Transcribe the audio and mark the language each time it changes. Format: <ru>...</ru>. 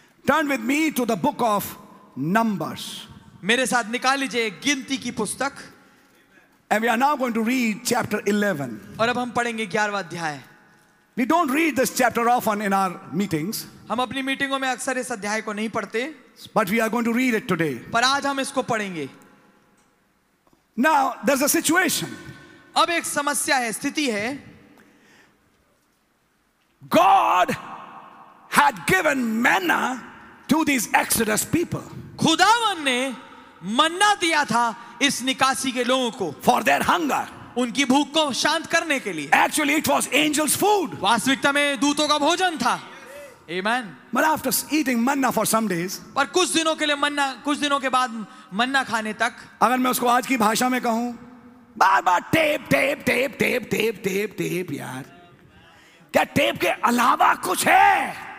<en>Turn with me to the book of numbers.</en> <hi>मेरे साथ निकाल लीजिए गिनती की पुस्तक.</hi> <en>And we are now going to read chapter 11.</en> <hi>और अब हम पढ़ेंगे 11वां अध्याय.</hi> <en>We don't read this chapter often in our meetings.</en> <hi>हम अपनी मीटिंगों में अक्सर इस अध्याय को नहीं पढ़ते.</hi> <en>But we are going to read it today.</en> <hi>पर आज हम इसको पढ़ेंगे.</hi> <en>Now there's a situation.</en> <hi>अब एक समस्या है, स्थिति है.</hi> <en>God had given manna to these Exodus people.</en> <hi>खुदावन ने मन्ना दिया था इस निकासी के लोगों को.</hi> <en>For their hunger.</en> <hi>उनकी भूख को शांत करने के लिए.</hi> <en>Actually, it was angels' food.</en> <hi>वास्तविकता में दूतों का भोजन था.</hi> <en>Amen. But after eating manna for some days,</en> <hi>पर कुछ दिनों के लिए मन्ना, कुछ दिनों के बाद मन्ना खाने तक, अगर मैं उसको आज की भाषा में कहूं, बार बार tape tape tape tape tape tape tape, यार क्या टेप के अलावा कुछ है?</hi>